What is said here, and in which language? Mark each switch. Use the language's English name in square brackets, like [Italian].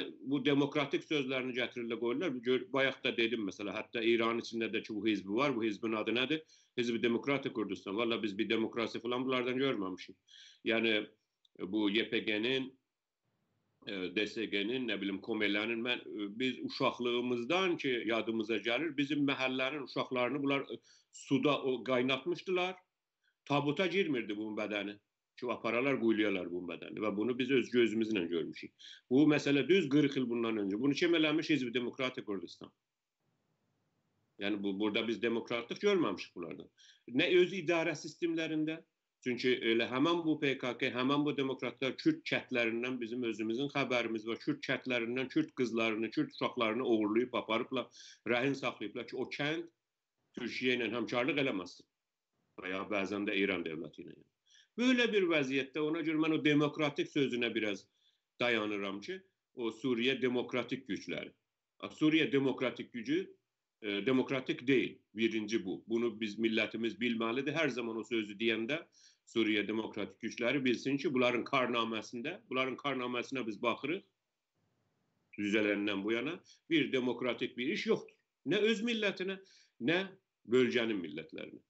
[Azerbaijani] Bu demokratik sözlərini gətirilə qoyurlar. Bayaq da dedim, məsələ, hətta İran içində də ki, bu hizbi var, bu hizbin adı nədir? Hizbi Demokratik Kurdistan. Valla biz bir demokrasi falan bunlardan görməmişik. Yəni, bu YPG-nin, DSG-nin, nə bilim, Komelənin, biz uşaqlığımızdan ki, yadımıza gəlir, bizim məhəllərin uşaqlarını bunlar suda qaynatmışdılar, tabuta girmirdi bunun bədəni, ki, aparalar, quyluyalar bunun bədəni və bunu biz öz gözümüzlə görmüşük. Bu məsələ düz 40 il bundan öncə, bunu kim eləmiş? Hizbi Demokratik Kurdistan. Yəni, burada biz demokratik görməmişik bunlardan. Nə öz idarə sistemlərində, Çünki elə həmən bu PKK, həmən bu demokratlar Kürt kətlərindən bizim özümüzün xəbərimiz var. Kürt kətlərindən Kürt qızlarını, Kürt uşaqlarını uğurlayıb, aparıblar, rəhin saxlayıblar ki, o kənd Türkiyə ilə həmkarlıq eləməsin. Və ya bəzən də İran dövləti ilə. Böylə bir vəziyyətdə ona görə mən o demokratik sözünə biraz dayanıram ki, o Suriyə demokratik gücləri. Suriyə demokratik gücü demokratik deyil, birinci bu. [Turkish] Bunu biz milletimiz bilmelidir. Her zaman o sözü diyende Suriye demokratik güçleri bilsin ki, bunların karnamesinde, bunların karnamesine biz bakırız, düzelenden bu yana, bir demokratik bir iş yoktur. Ne öz milletine, ne bölgenin milletlerine.